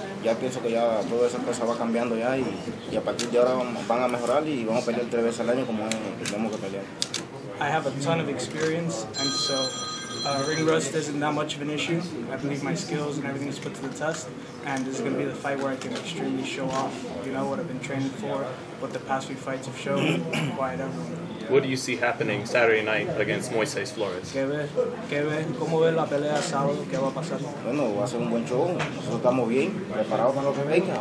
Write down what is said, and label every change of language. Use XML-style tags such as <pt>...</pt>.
<es>Ya pienso que ya todas esas cosas van cambiando ya y a partir de ahora van a mejorar y vamos a pelear 3 veces al año como tenemos que pelear.</es> <en>I have a ton of experience, and so ring rust isn't that much of an issue. I believe my skills and everything is put to the test, and this is going to be the fight where I can extremely show off, you know, what I've been training for, what the past few fights have shown, quite everyone. What do you see happening Saturday night against Moises Flores?</en> <es>¿Cómo ves la pelea sábado? ¿Qué va a pasar? Bueno, va a ser un buen show. Nosotros estamos bien, preparados para lo que venga.</es>